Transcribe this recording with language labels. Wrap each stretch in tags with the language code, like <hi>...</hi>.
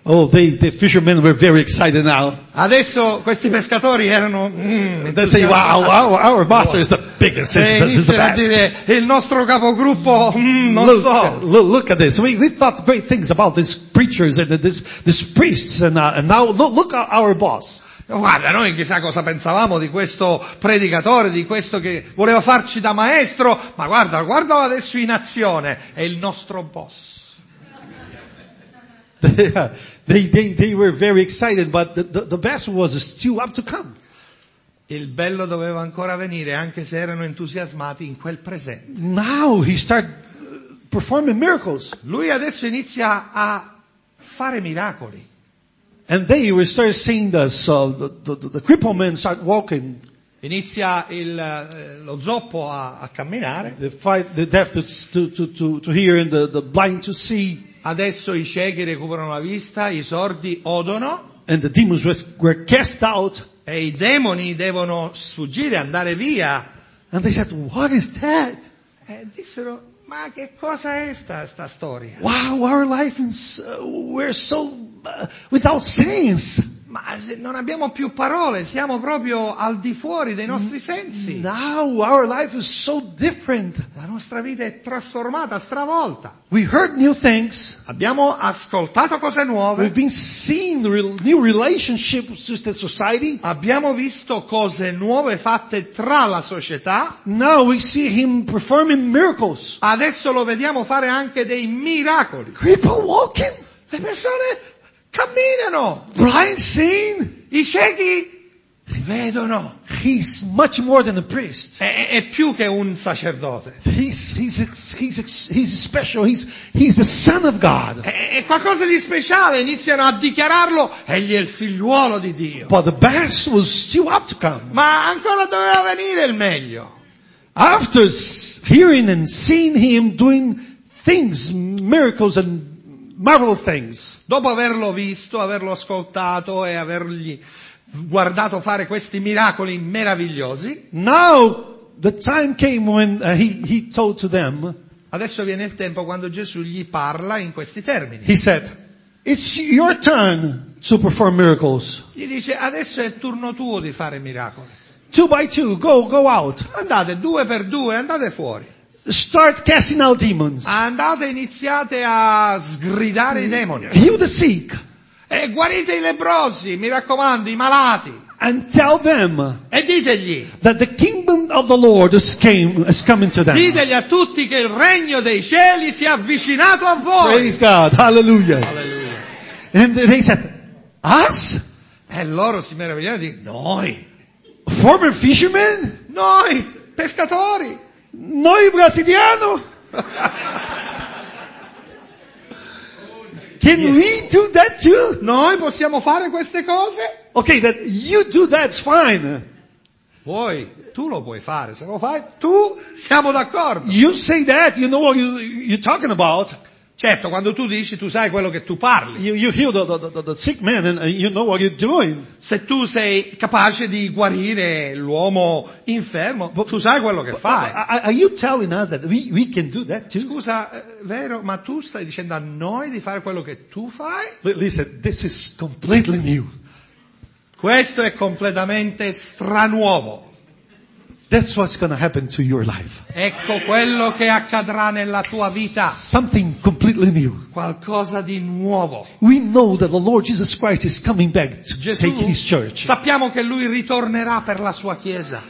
<en>Oh, the fishermen were very excited now.</en> <it>Adesso questi pescatori erano</it> <en>they say, wow, our master is the biggest, is the best.</en> <it>Dire, il nostro capogruppo, non</it> <en>look, so. Look at this. We thought great things about these preachers and these priests and now look at our boss.</en> <it>Guarda, noi chissà cosa pensavamo di questo predicatore, di questo che voleva farci da maestro, ma guarda adesso in azione, è il nostro boss.</it> <en>They were very excited, but the vessel was still up to come.</en> <it>Il bello doveva ancora venire, anche se erano entusiasmati in quel presente.</it> <en>Now he start performing miracles.</en> <it>Lui adesso inizia a fare miracoli.</it> <en>And they were start seeing the crippled man start walking.</en> <it>Inizia lo zoppo a camminare.</it> <en>The deaf to hear and the blind to see.</en> <it>Adesso i ciechi recuperano la vista, i sordi odono.</it> <en>And the demons were cast out.</en> <it>E i demoni devono sfuggire, andare via.</it> <en>And they said, what is that?</en> <it>E dissero, ma che cosa è sta storia?</it> <en>Wow, our life is we're so without sense.</en> <it>Ma se non abbiamo più parole, siamo proprio al di fuori dei nostri sensi.</it> <en>Now our life is so different.</en> <it>La nostra vita è trasformata, stravolta.</it> <en>We heard new things.</en> <it>Abbiamo ascoltato cose nuove.</it> <en>We've been seeing new relationships with the society.</en> <it>Abbiamo visto cose nuove fatte tra la società.</it> <en>Now we see him performing miracles.</en> <it>Adesso lo vediamo fare anche dei miracoli.</it> <en>People walking.</en> <it>Le persone camminano.</it> <en>Blind seeing.</en> <it>I ciechi vedono.</it> <en>He's much more than a priest.</en> <it>È più che un sacerdote.</it> <en>He's special. He's the son of God.</en> <it>È qualcosa di speciale. Iniziano a dichiararlo. Egli è il figliuolo di Dio.</it> <en>But the best was still up to come.</en> <it>Ma ancora doveva venire il meglio.</it> <en>After hearing and seeing him doing things, miracles and marvel things.</en> <it>Dopo averlo visto, averlo ascoltato e avergli guardato fare questi miracoli meravigliosi.</it> <en>Now the time came when he told to them.</en> <it>Adesso viene il tempo quando Gesù gli parla in questi termini.</it> <en>He said, "It's your turn to perform miracles."</en> <it>Gli dice, "Adesso è il turno tuo di fare miracoli."</it> <en>Two by two, go out.</en> <it>Andate due per due, andate fuori.</it> <en>Start casting out demons.</en> <it>Andate, iniziate a sgridare i demoni.</it> <en>Heal the sick.</en> <it>E guarite i lebbrosi, mi raccomando, i malati.</it> <en>And tell them.</en> <it>E ditegli.</it> <en>That the kingdom of the Lord is coming to them.</en> <it>Ditegli a tutti che il regno dei cieli si è avvicinato a voi.</it> <en>Praise God. Hallelujah.</en> <it>Hallelujah.</it> <en>And they said, us?</en> <it>E loro si meravigliano di noi.</it> <en>Former fishermen?</en> <it>Noi, pescatori. Noi brasiliano?</it> <en>Can we do that too?</en> <it>Noi possiamo fare queste cose?</it> <en>Okay, that you do that's fine.</en> <it>Voi, tu lo puoi fare, se lo fai, tu siamo d'accordo.</it> <en>You say that, you know what you're talking about.</en> <it>Certo, quando tu dici, tu sai quello che tu parli.</it> <en>You heal the sick man and you know what you're doing.</en> <it>Se tu sei capace di guarire l'uomo infermo, tu sai quello che fai.</it> <en>Are you telling us that we can do that too?</en> <it>Scusa, vero, ma tu stai dicendo a noi di fare quello che tu fai?</it> <en>Listen, this is completely new.</en> <it>Questo è completamente stranuovo.</it> <en>That's what's going to happen to your life.</en> <it>Ecco quello che accadrà nella tua vita.</it> <en>Something completely new.</en> <it>Qualcosa di nuovo.</it> <en>We know that the Lord Jesus Christ is coming back to</en> <it>Gesù,</it> <en>take his church.</en> <it>Sappiamo che lui ritornerà per la sua chiesa.</it>